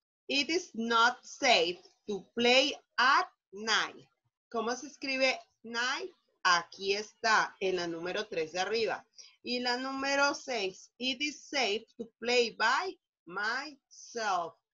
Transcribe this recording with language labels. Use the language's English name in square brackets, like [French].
[English] It is not safe to play at night. [Spanish] ¿Cómo se escribe night? Aquí está, en la número 3 de arriba. Y la número 6, [English] it is safe to play by myself.